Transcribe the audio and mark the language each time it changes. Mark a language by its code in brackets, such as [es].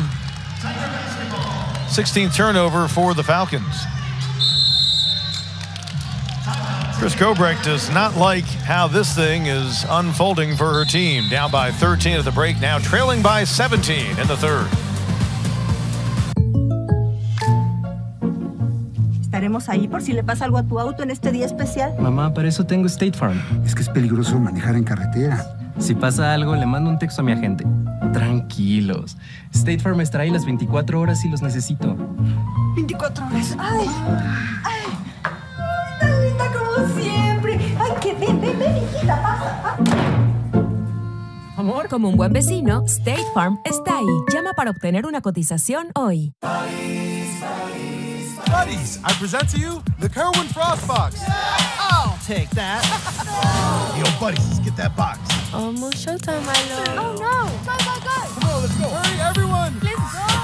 [en] 16th turnover for the Falcons. Chris Kobrek does not like how this thing is unfolding for her team. Down by 13 at the break, now trailing by 17 in the third. [es] Estaremos ahí por si le pasa algo a tu auto en este día especial. Mamá, para eso tengo State Farm. Es que es peligroso manejar en carretera. Si pasa algo, le mando un texto a mi agente. Tranquilos. State Farm estará ahí las 24 horas si los necesito. 24 horas. ¡Ay! ¡Ay! ¡Tan linda como siempre! ¡Ay, qué bien! ¡Ven, ven, hijita! ¡Pasa! Amor. Como un buen vecino, State Farm está ahí. Llama para obtener una cotización hoy. [en] Buddies, I present to you the Kerwin Frost Box. Yeah! I'll take that. Yo, buddies, let's get that box. Almost showtime, my love. Oh, no. Go, go, go. Come on, let's go. Hurry, everyone. Let's go.